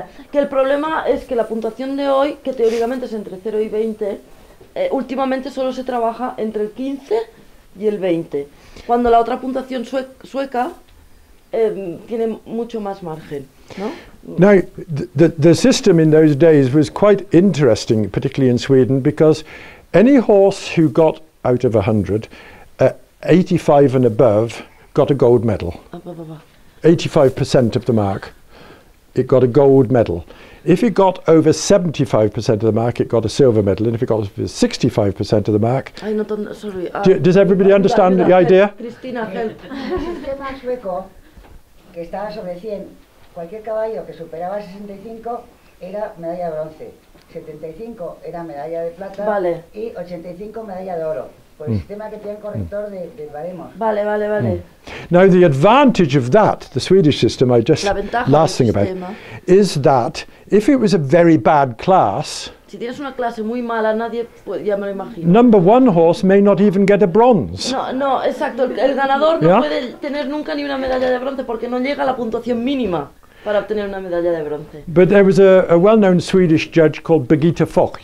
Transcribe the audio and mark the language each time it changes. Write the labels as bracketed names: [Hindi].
[Spanish] Que el problema es que la puntuación de hoy, que teóricamente es entre 0 y 20, últimamente solo se trabaja entre el 15 y el 20, cuando la otra puntuación sueca tiene mucho más margen, ¿no? [English] Now, the system in those days was quite interesting, particularly in Sweden, because any horse who got out of 100, 85 and above, got a gold medal. 85% of the mark, it got a gold medal. If it got over 75% of the mark, it got a silver medal. And if it got 65% of the mark... Does everybody understand the idea? Cristina, help. [Spanish] El sistema sueco, que estaba sobre 100, cualquier caballo que superaba 65 era medalla de bronce. 75 era medalla de plata. Vale. Y 85 medalla de oro. Por el sistema que tiene el corrector de baremos. Vale, vale, vale. [English] Now the advantage of that, the Swedish system, I just last thing about, is that if it was a very bad class, [Spanish] si tienes una clase muy mala, nadie ya me lo imagino. [English] Number one horse may not even get a bronze. [Spanish] No, no, exacto. El ganador no puede tener nunca ni una medalla de bronce porque no llega a la puntuación mínima para obtener una medalla de bronce. [English] But there was a well-known Swedish judge called Birgitta Fock.